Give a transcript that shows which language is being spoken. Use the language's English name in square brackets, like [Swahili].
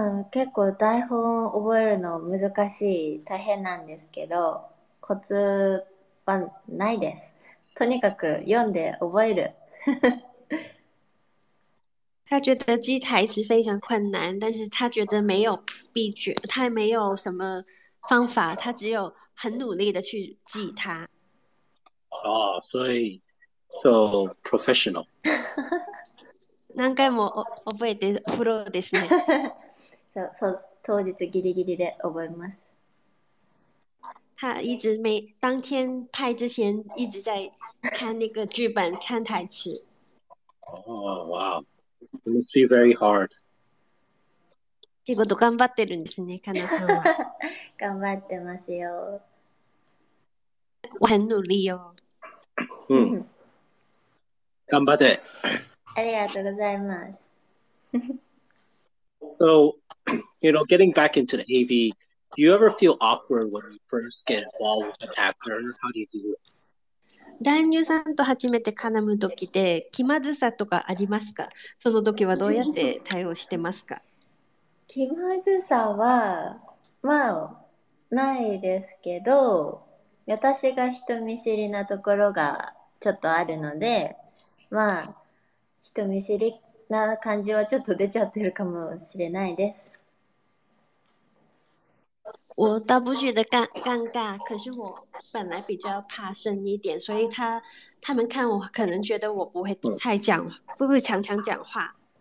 [Japanese] 結構台本を覚えるの難しい、大変なんですけど、コツはないです。とにかく読んで覚える。 [Chinese] 他觉得记台词非常困难，但是他觉得没有秘诀，他没有什么方法，他只有很努力的去记它。所以 [English] so professional. [Japanese] 何回も覚えてプロですね。そう、当日ギリギリで覚えます。 [Chinese] 他一直每当天拍之前一直在看那个剧本看台词。 [English] Oh, wow. It must be very hard. [Japanese] 仕事頑張ってるんですね、かなさんは。頑張ってますよ。 [Chinese] 我很努力よ。 [Japanese] うん。頑張って。ありがとうございます。 [English] So, you know, getting back into the AV, do you ever feel awkward when you first get involved with an actor? How do you do it? [Japanese] 男優さんと初めて絡む時で気まずさとかありますか？その時はどうやって対応してますか？気まずさは、まあ、ないですけど、私が人見知りなところがちょっとあるので、まあ、人見知りな感じはちょっと出ちゃってるかもしれないです。 [Chinese] 我倒不觉得尴尬，可是我本来比较怕生一点，所以他们看我可能觉得我不会太讲，不会常常讲话。